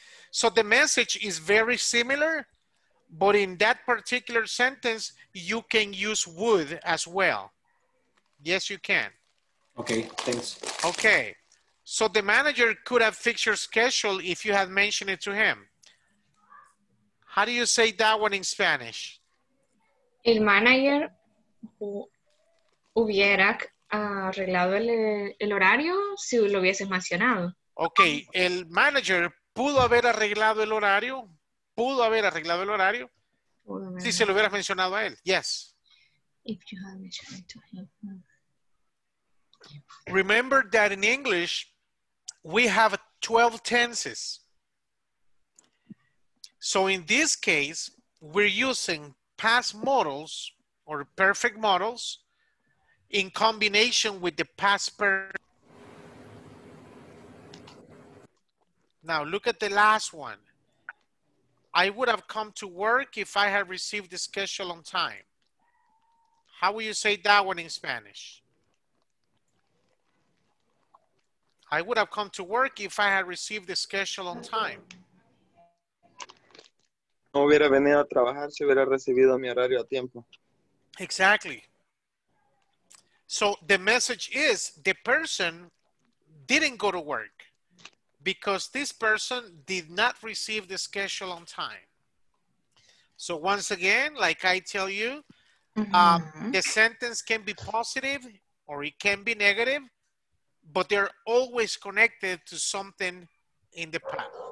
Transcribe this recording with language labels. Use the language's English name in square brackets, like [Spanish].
[English] So the message is very similar, but in that particular sentence, you can use would as well. Yes, you can. Okay. Okay, thanks. Okay. So the manager could have fixed your schedule if you had mentioned it to him. How do you say that one in Spanish? [Spanish] El manager hubiera arreglado el horario si lo hubieses mencionado. Okay, el manager pudo haber arreglado el horario. Pudo haber arreglado el horario. Si se lo hubieras mencionado a él. Yes. [English] If you had mentioned it to him. Remember that in English, we have 12 tenses. So in this case, we're using past models or perfect models in combination with the past perfect. Now look at the last one. I would have come to work if I had received the schedule on time. How will you say that one in Spanish? I would have come to work if I had received the schedule on time. [Spanish] No hubiera venido a trabajar si hubiera recibido mi horario a tiempo. [English] Exactly. So the message is the person didn't go to work because this person did not receive the schedule on time. So once again, like I tell you, the sentence can be positive or it can be negative, but they're always connected to something in the past.